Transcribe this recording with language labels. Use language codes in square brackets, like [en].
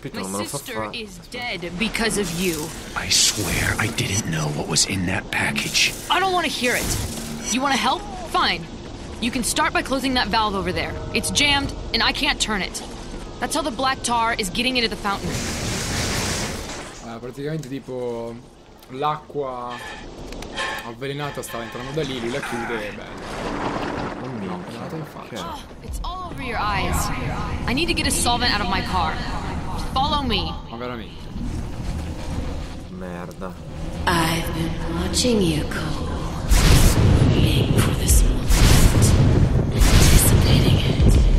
[en] My sister is dead because of you. I swear I didn't know what was in that package. I don't want to hear it. You want to help? Fine. You can start by closing that valve over there. It's jammed and I can't turn it. That's how the black tar is getting into the fountain. [it] Praticamente tipo l'acqua avvelenata stava entrando da lì, lui la chiude e beh. Oh mio, che andata in faccia. [en] It's all over your eyes. I need to get a solvent out of my car. Follow me. [it] Ma veramente. Merda. [en] I've been watching you, Cole. Waiting for this moment. Anticipating it.